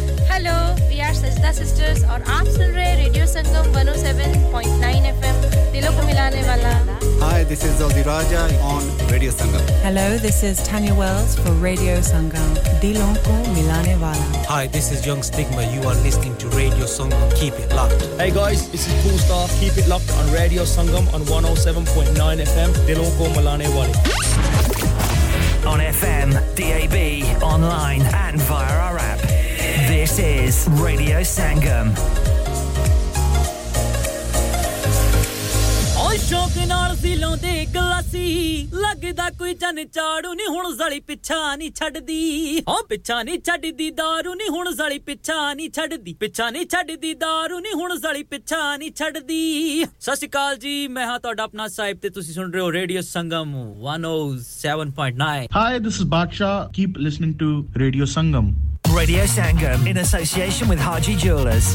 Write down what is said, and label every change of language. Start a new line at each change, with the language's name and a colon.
English: hello we are Sajda sisters
Hindi: और आप सुन रहे रेडियो संगम 107.9 FM दिलों को मिलाने वाला
English: Hi, this is Aldi Raja on Radio Sangam. Hello, this is Tanya Wells for Radio Sangam.
Hindi: Dilon ko milane wala.
English: Hi, this is Young Stigma. You are listening to Radio Sangam. Keep it locked. Hey guys, this is Cool Star. Keep it locked on Radio Sangam on 107.9 FM.
Hindi: Dilon ko milane wala.
English: On FM, DAB, online and via our app. This is Radio Sangam.
Punjabi: ਸ਼ੌਕ ਨਾਲ ਸੀ ਲਾਉਂਦੇ ਗਲਾਸੀ ਲੱਗਦਾ ਕੋਈ ਚੰਨ ਚਾੜੂ ਨਹੀਂ ਹੁਣ ਜ਼ਲੀ ਪਿੱਛਾ ਨਹੀਂ ਛੱਡਦੀ ਓ ਪਿੱਛਾ ਨਹੀਂ ਛੱਡਦੀ ਦਾਰੂ ਨਹੀਂ ਹੁਣ ਜ਼ਲੀ ਪਿੱਛਾ ਨਹੀਂ ਛੱਡਦੀ ਪਿੱਛਾ ਨਹੀਂ ਛੱਡਦੀ ਦਾਰੂ ਨਹੀਂ ਹੁਣ ਜ਼ਲੀ ਪਿੱਛਾ ਨਹੀਂ ਛੱਡਦੀ ਸਤਿ ਸ਼੍ਰੀ ਅਕਾਲ ਜੀ ਮੈਂ ਹਾਂ ਤੁਹਾਡਾ ਆਪਣਾ ਸਾਹਿਬ ਤੇ ਤੁਸੀਂ ਸੁਣ ਰਹੇ ਹੋ radio Sangam 107.9
English: Hi, this is Baksha. Keep listening to Radio Sangam. Radio Sangam, in association with Haji Jewellers.